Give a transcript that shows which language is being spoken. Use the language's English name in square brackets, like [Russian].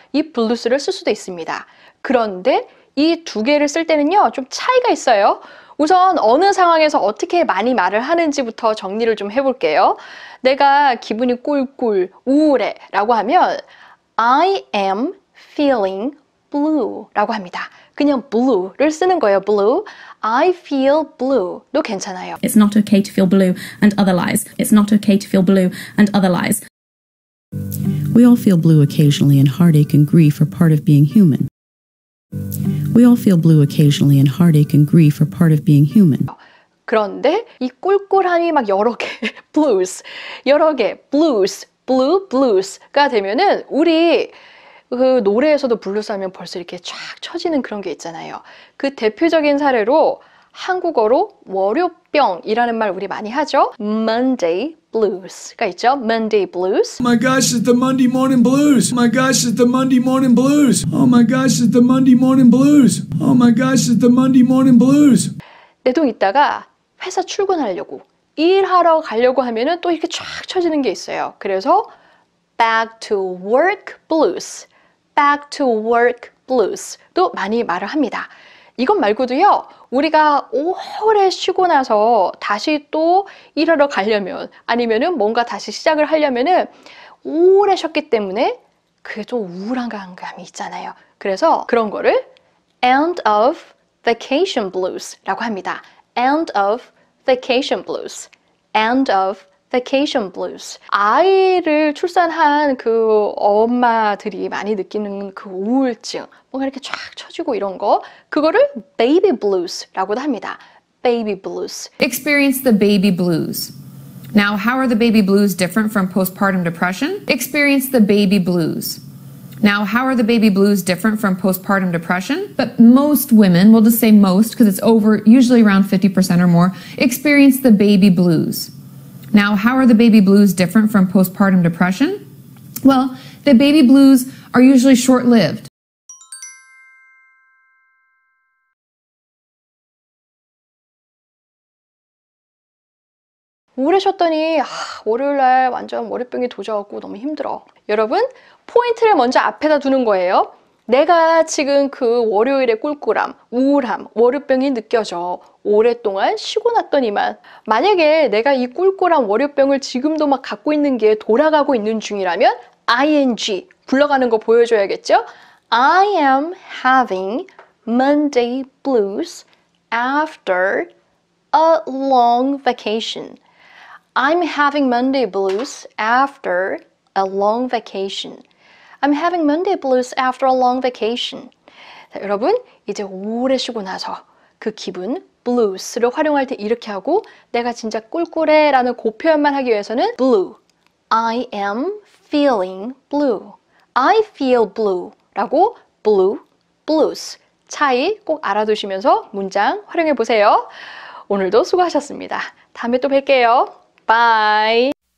[Korean] 이 blues를 쓸 수도 있습니다. 그런데 이두 개를 쓸 때는요, 좀 차이가 있어요. 우선 어느 상황에서 어떻게 많이 말을 하는지부터 정리를 좀 해볼게요. 내가 기분이 꿀꿀, 우울해 라고 하면 [English] I am feeling blue [Korean] 라고 합니다. 그냥 blue를 쓰는 거예요, blue. [English] I feel blue도 [Korean] 괜찮아요. [English] It's not okay to feel blue and other lies. It's not okay to feel blue and other lies. We all feel blue occasionally and heartache and grief are part of being human. We all feel blue occasionally and heartache and grief are part of being human. [Korean] 그런데 이 꿀꿀함이 막 여러 개, blues, 여러 개, blues, blue, blues가 되면은 우리 그 노래에서도 블루스 하면 벌써 이렇게 쫙 처지는 그런 게 있잖아요. 그 대표적인 사례로 한국어로 월요병이라는 말 우리 많이 하죠. [English] Monday blues가 [Korean] 있죠. [English] Monday blues. Oh my gosh, it's the Monday morning blues. Oh my gosh, it's the Monday morning blues. Oh my gosh, it's the Monday morning blues. Oh my gosh, it's the Monday morning blues. [Korean] 내동 있다가 회사 출근하려고 일하러 가려고 하면은 또 이렇게 쫙 처지는 게 있어요. [English] 그래서 back to work blues. Back to work blues도 [Korean] 많이 말을 합니다. 이것 말고도요, 우리가 오래 쉬고 나서 다시 또 일하러 가려면 아니면은 뭔가 다시 시작을 하려면은 오래 쉬었기 때문에 그게 좀 우울한 감이 있잖아요. 그래서 그런 거를 [English] end of vacation blues [Korean] 라고 합니다. [English] End of vacation blues. End of vacation blues. [Korean] 아이를 출산한 그 엄마들이 많이 느끼는 그 우울증, 뭔가 이렇게 쫙 처지고 이런 거, 그거를 baby blues라고도 합니다. [English] Baby blues. Experience the baby blues. Now, how are the baby blues different from postpartum depression? Experience the baby blues. Now, how are the baby blues different from postpartum depression? But most women, we'll just say most because it's over, usually around 50% or more, experience the baby blues. Now, how are the baby blues different from postpartum depression? Well, the baby blues are usually short-lived. [Korean] 우울하셨더니 월요일 날 완전 월요병이 도져왔고 너무 힘들어. 여러분, 포인트를 먼저 앞에다 두는 거예요. 내가 지금 그 월요일의 꿀꿀함, 우울함, 월요병이 느껴져 오랫동안 쉬고 났더니만 만약에 내가 이 꿀꿀한 월요병을 지금도 막 갖고 있는 게 돌아가고 있는 중이라면 ing 불러가는 거 보여줘야겠죠? [English] I am having Monday blues after a long vacation. I'm having Monday blues after a long vacation. I'm having Monday blues after a long vacation. [Korean] 자, 여러분 이제 오래 쉬고 나서 그 기분 blues를 활용할 때 이렇게 하고 내가 진짜 꿀꿀해 라는 그 표현만 하기 위해서는 blue. [English] I am feeling blue. I feel blue. [Korean] 라고 blue, blues. 차이 꼭 알아두시면서 문장 활용해 보세요. 오늘도 수고하셨습니다. 다음에 또 뵐게요. Bye.